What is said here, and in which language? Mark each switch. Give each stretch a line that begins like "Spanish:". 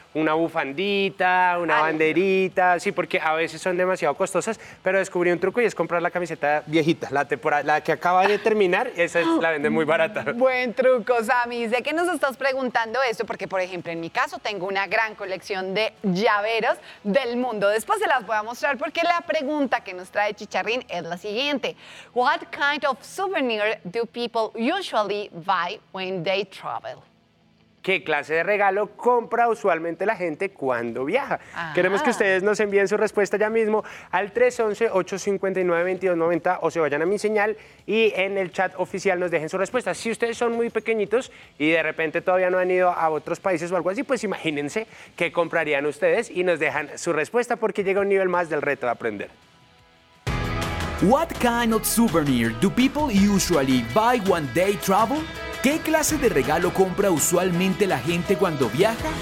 Spanish: Una bufandita, una ay, banderita, sí, porque a veces son demasiado costosas, pero descubrí un truco y es comprar la camiseta viejita, la que acaba de terminar, esa es, la venden muy barata. Buen truco, Sammy. Sé que nos estás preguntando esto porque, por ejemplo, en mi caso tengo una gran colección de llaveros del mundo. Después se las voy a mostrar porque la pregunta que nos trae Chicharrín es la siguiente.
English: What kind of souvenir do people usually buy when they travel?
Spanish: ¿Qué clase de regalo compra usualmente la gente cuando viaja? Ajá. Queremos que ustedes nos envíen su respuesta ya mismo al 311-859-2290 o se vayan a mi señal y en el chat oficial nos dejen su respuesta. Si ustedes son muy pequeñitos y de repente todavía no han ido a otros países o algo así, pues imagínense qué comprarían ustedes y nos dejan su respuesta porque llega un nivel más del reto de aprender.
English: What kind of souvenir do people usually buy when they travel?
Spanish: ¿Qué clase de regalo compra usualmente la gente cuando viaja?